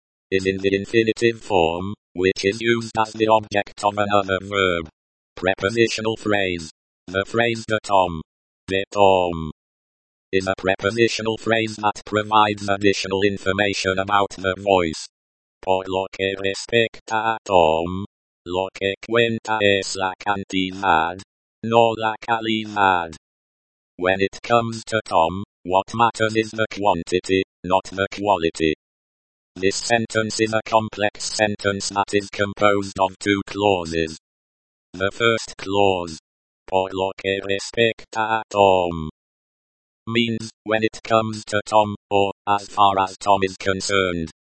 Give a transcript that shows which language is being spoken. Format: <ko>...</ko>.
<en>Is in the infinitive form, which is used as the object of another verb. Prepositional phrase. The phrase de Tom. De Tom. is a prepositional phrase that provides additional information about the voice.</en> <es>Por lo que respecta a Tom, lo que cuenta es la cantidad, no la calidad.</es> <en>When it comes to Tom, what matters is the quantity, not the quality. This sentence is a complex sentence that is composed of two clauses. The first clause,</en> <es>por lo que respecta a Tom,</es> <en>means, when it comes to Tom, or, as far as Tom is concerned.</en>